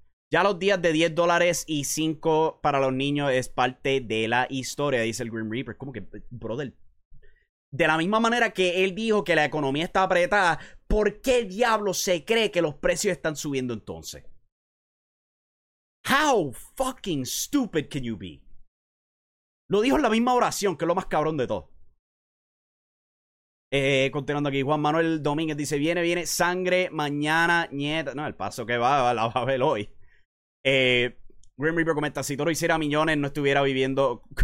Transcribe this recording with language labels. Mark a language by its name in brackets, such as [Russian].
[Spanish] Ya los días de $10 y 5 para los niños es parte de la historia, dice el Grim Reaper. ¿Cómo que, brother? De la misma manera que él dijo que la economía está apretada, ¿por qué diablos se cree que los precios están subiendo entonces? [English] How fucking stupid can you be? [Spanish] Lo dijo en la misma oración, que es lo más cabrón de todo. Continuando aquí, Juan Manuel Domínguez dice, viene sangre mañana, nieta. No, el paso que va, la va a ver hoy. Grim Reaper comenta, si Toro hiciera millones, no estuviera viviendo...